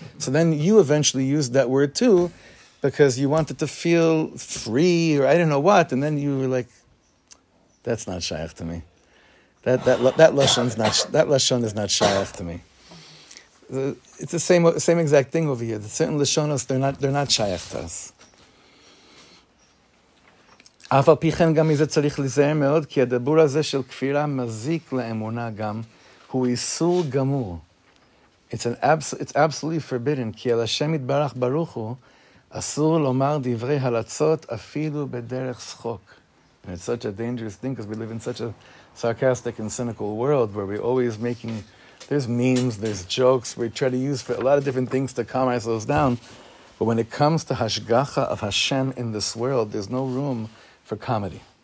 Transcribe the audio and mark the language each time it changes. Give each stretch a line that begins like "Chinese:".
English: So then you eventually used that word too because you wanted to feel free or I don't know what. And then you were like, that's not shayach to me. That lashon is not shayach to me. It's the same exact thing over here. The certain lashonos, they're not shayach to us.
Hebrew: אף על פי כן גם מזה צריך לזהר מאוד, כי הדבור הזה של כפירה מזיק לאמונה גם, הוא איסור גמור.
English: It's absolutely forbidden,
Hebrew: כי על השם יתברך ברוך הוא, אסור לומר דברי הלצות אפילו בדרך שחוק.
English: And it's such a dangerous thing, because we live in such a sarcastic and cynical world, where we're always making, there's memes, there's jokes, we try to use for a lot of different things to calm ourselves down. But when it comes to hashgacha of Hashem in this world, there's no room for comedy.